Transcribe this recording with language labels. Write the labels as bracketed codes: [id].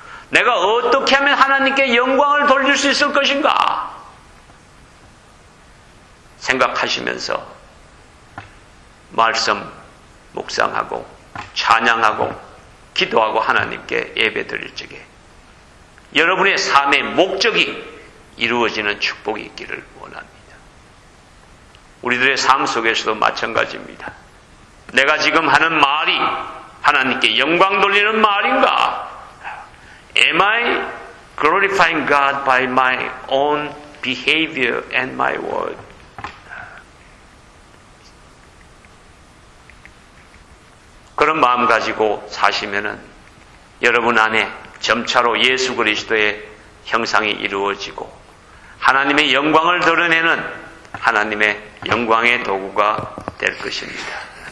[ko] 내가 어떻게 하면 하나님께 영광을 돌릴 수 있을 것인가 생각하시면서 말씀 묵상하고 찬양하고 기도하고 하나님께 예배 드릴 적에 여러분의 삶의 목적이 이루어지는 축복이 있기를 원합니다. 우리들의 삶 속에서도 마찬가지입니다. 내가 지금 하는 말이 하나님께 영광 돌리는 말인가? [en] Am I glorifying God by my own behavior and my word? [ko] 그런 마음 가지고 사시면은 여러분 안에 점차로 예수 그리스도의 형상이 이루어지고 하나님의 영광을 드러내는 하나님의 영광의 도구가 될 것입니다.